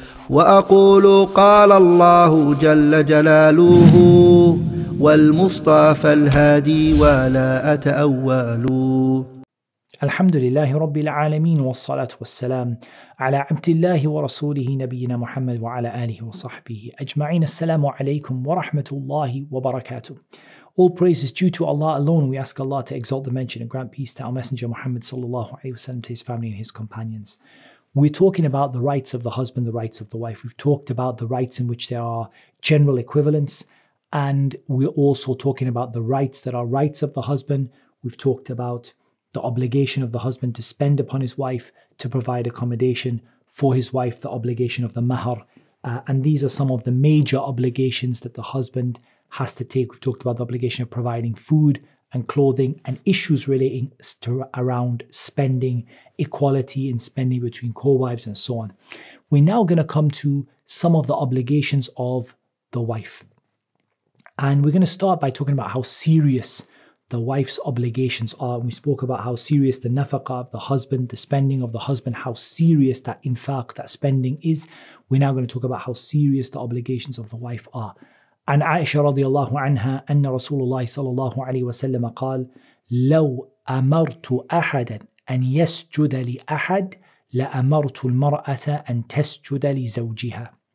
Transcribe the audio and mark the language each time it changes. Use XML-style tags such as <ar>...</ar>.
<ar>وأقول قال الله جل جلاله والمصطفى الهادي ولا أتأول. الحمد لله رب العالمين والصلاة والسلام على عبد الله ورسوله نبينا محمد وعلى آله وصحبه أجمعين. السلام عليكم ورحمة الله وبركاته.</ar> <en>All praise is due to Allah alone. We ask Allah to exalt the mention and grant peace to our messenger Muhammad sallallahu alayhi wa sallam, to his family and his companions. We're talking about the rights of the husband, the rights of the wife. We've talked about the rights in which there are general equivalents. And we're also talking about the rights that are rights of the husband. We've talked about the obligation of the husband to spend upon his wife, to provide accommodation for his wife, the obligation of the mahar. And these are some of the major obligations that the husband has to take. We've talked about the obligation of providing food and clothing and issues relating around spending, equality in spending between co-wives and so on. We're now going to come to some of the obligations of the wife. And we're going to start by talking about how serious the wife's obligations are. We spoke about how serious the nafaqah of the husband, the spending of the husband, how serious that infaq, that spending is. We're now going to talk about how serious the obligations of the wife are.</en> <ar>عن عائشة رضي الله عنها أن رسول الله صلى الله عليه وسلم قال لو أمرت أحدا أن يسجد لأحد لأمرت المرأة أن تسجد لزوجها.</ar>